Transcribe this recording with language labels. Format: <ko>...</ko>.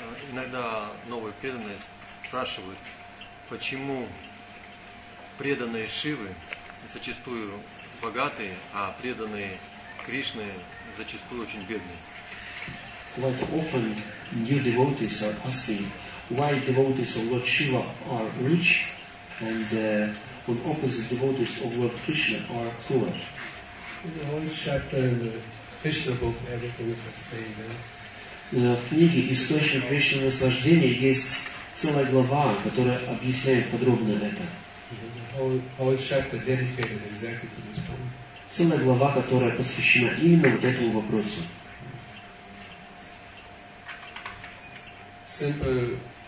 <ru>Иногда новые преданные спрашивают, почему преданные Шивы зачастую богатые, а преданные Кришны зачастую очень бедные.</ru> <en>Quite often new devotees are asking why devotees of Lord Shiva are rich and on opposite devotees of Lord Krishna are poor. In the whole chapter in the Krishna book, everything is explained.</en> <ru>В книге «Источник вечного наслаждения» есть целая глава, которая объясняет подробно это. Целая глава, которая посвящена именно вот этому вопросу.</ru>